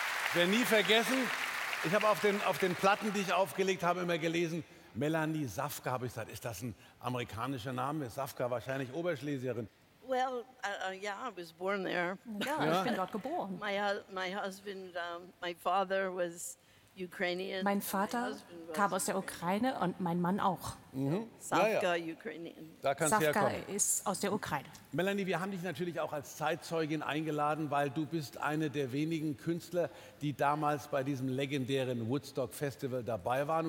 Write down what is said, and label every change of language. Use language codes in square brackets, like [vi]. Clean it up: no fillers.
[de] Ich werde nie vergessen, ich habe auf den Platten, die ich aufgelegt habe, immer gelesen, Melanie Safka, habe ich gesagt. Ist das ein amerikanischer Name? Safka, wahrscheinlich Oberschlesierin. [en] Well, yeah, I was born there. [de] Ja, ich bin dort geboren. [en] My husband, my father was Ukrainian. [de] Mein Vater kam aus der Ukraine und mein Mann auch. Safka, ja. Ukrainian. Da kannst du herkommen. Safka ist aus der Ukraine. Melanie, wir haben dich natürlich auch als Zeitzeugin eingeladen, weil du bist eine der wenigen Künstler, die damals bei diesem legendären Woodstock Festival dabei waren.